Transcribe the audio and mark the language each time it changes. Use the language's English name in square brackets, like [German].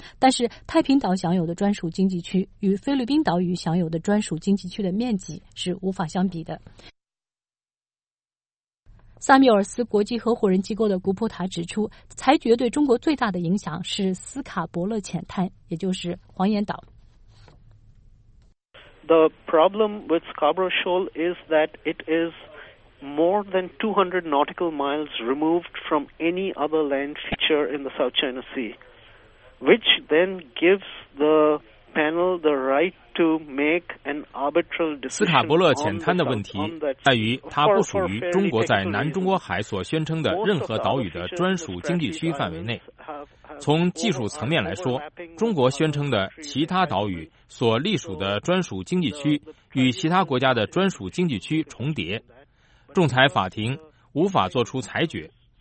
[Chinese] 但是，太平岛享有的专属经济区与菲律宾岛屿享有的专属经济区的面积是无法相比的。萨米尔斯国际合伙人机构的古普塔指出，裁决对中国最大的影响是斯卡伯勒浅滩，也就是黄岩岛。 [English] The problem with Scarborough Shoal is that it is more than 200 nautical miles removed from any other land feature in the South China Sea, which then gives the panel the right to make an arbitral decision. [Chinese] 斯卡伯勒浅滩的问题在于它不属于中国在南中国海所宣称的任何岛屿的专属经济区范围内。从技术层面来说，中国宣称的其他岛屿所隶属的专属经济区与其他国家的专属经济区重叠，仲裁法庭无法做出裁决。